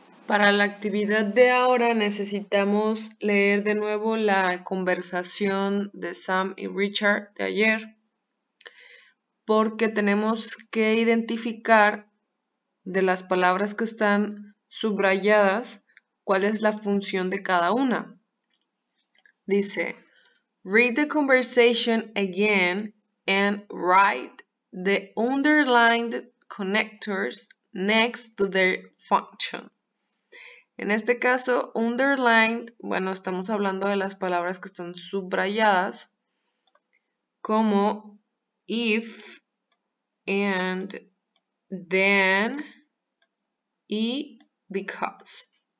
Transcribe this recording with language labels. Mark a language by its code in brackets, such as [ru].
[es] Para la actividad de ahora necesitamos leer de nuevo la conversación de Sam y Richard de ayer, porque tenemos que identificar de las palabras que están subrayadas cuál es la función de cada una. Dice, [en] read the conversation again and write the underlined connectors next to their function. [es] En este caso, underlined, bueno, estamos hablando de las palabras que están subrayadas, como if, and, then, y because.